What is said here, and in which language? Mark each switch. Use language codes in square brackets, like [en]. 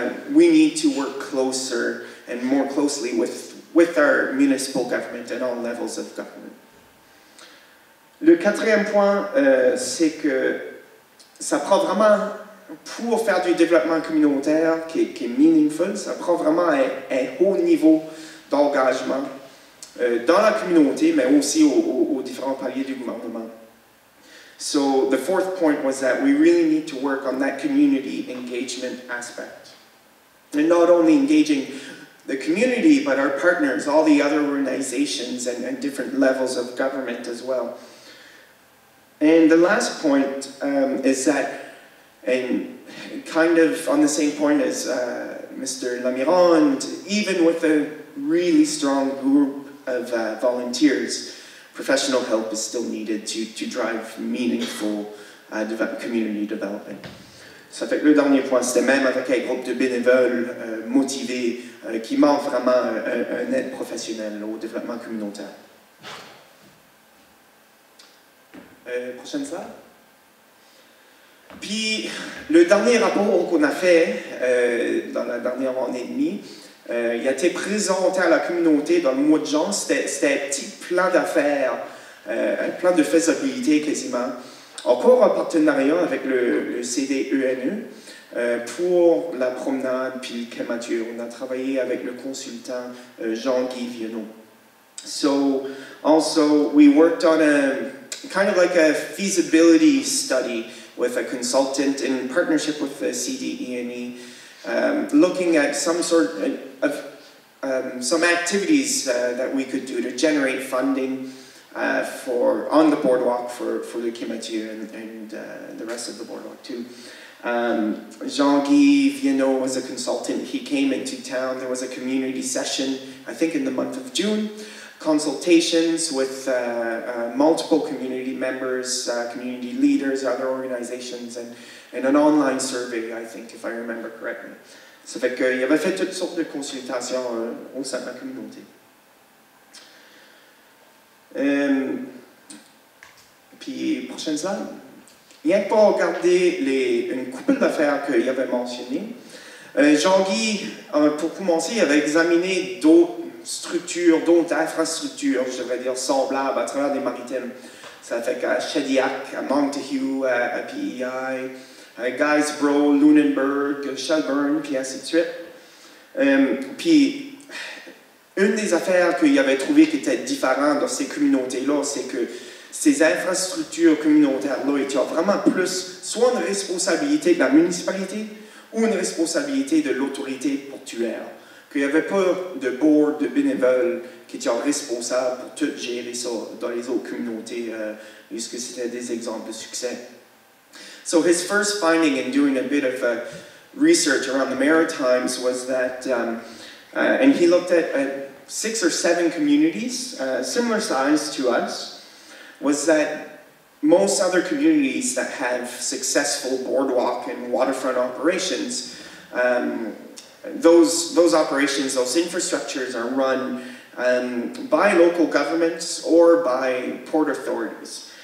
[en] we need to work closer and more closely with our municipal government and all levels of government. [fr] Le quatrième point, c'est que ça prend vraiment, pour faire du développement communautaire qui est meaningful, ça prend vraiment un haut niveau d'engagement dans la communauté, mais aussi aux différents paliers du gouvernement. [en] So the fourth point was that we really need to work on that community engagement aspect. And not only engaging the community, but our partners, all the other organizations and different levels of government as well. And the last point is that, and kind of on the same point as Mr. Lamirand, even with a really strong group of volunteers, professional help is still needed to drive meaningful community development. [fr] Ça fait que le dernier point, c'était même avec un groupe de bénévoles motivés qui manque vraiment un aide professionnelle au développement communautaire. Prochaine slide. Puis, le dernier rapport qu'on a fait dans la dernière année et demie, il a été présenté à la communauté dans le mois de juin. C'était un petit plan d'affaires, un plan de faisabilité quasiment, encore en partenariat avec le CDENE pour la promenade puis le quai Mathieu. On a travaillé avec le consultant Jean-Guy Vionneau. [en] So, also, we worked on a kind of like a feasibility study with a consultant in partnership with the CDENE, looking at some sort of some activities that we could do to generate funding for on the boardwalk for the Kimatu and the rest of the boardwalk too. Jean-Guy Vienneau was a consultant. He came into town. There was a community session, I think in the month of June, consultations with multiple community members, community leaders, other organizations, and an online survey, I think, if I remember correctly. [fr] Ça fait qu'il y avait fait toutes sortes de consultations au sein de la communauté. Puis, prochaine slide. Rien que pour regarder une couple d'affaires qu'il y avait mentionnées, Jean-Guy, pour commencer, il avait examiné d'autres structures, d'autres infrastructures, je devrais dire, semblables à travers les maritimes. Ça fait qu'à Shediac, à Montague, à PEI, Guysbro, Lunenburg, Shelburne, puis ainsi de suite. Puis, une des affaires qu'il avait trouvé qui était différente dans ces communautés-là, c'est que ces infrastructures communautaires-là étaient vraiment plus soit une responsabilité de la municipalité ou une responsabilité de l'autorité portuaire. Qu'il n'y avait pas de board de bénévoles qui étaient responsables pour tout gérer ça dans les autres communautés, puisque c'était des exemples de succès. [en] So his first finding in doing a bit of research around the Maritimes was that, and he looked at six or seven communities, similar size to us, was that most other communities that have successful boardwalk and waterfront operations, those operations, those infrastructures are run by local governments or by port authorities.